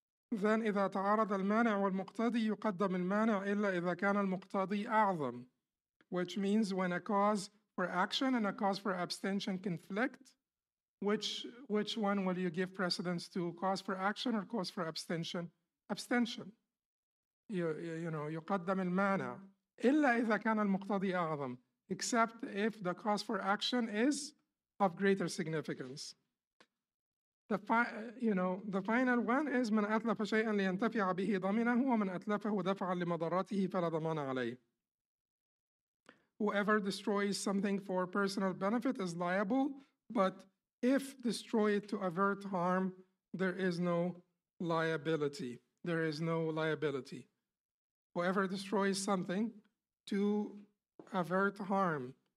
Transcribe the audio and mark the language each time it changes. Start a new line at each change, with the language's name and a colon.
English: Then,
Arabic: إذا تعارض المانع والمقتضي يقدم المانع إلا إذا كان المقتضي أعظم,
English: which means when a cause for action and a cause for abstention conflict, which one will you give precedence to, cause for action or cause for abstention? Abstention. You know,
Arabic: يقدم المانع إلا إذا كان المقتضي أعظم,
English: except if the cause for action is of greater significance. The final one is
Arabic: من أتلف شيئا لينتفع به ضمنه ومن أتلفه دفعا لمضراته فلا ضمان عليه.
English: Whoever destroys something for personal benefit is liable, but if destroyed to avert harm, there is no liability. There is no liability. Whoever destroys something to avert harm.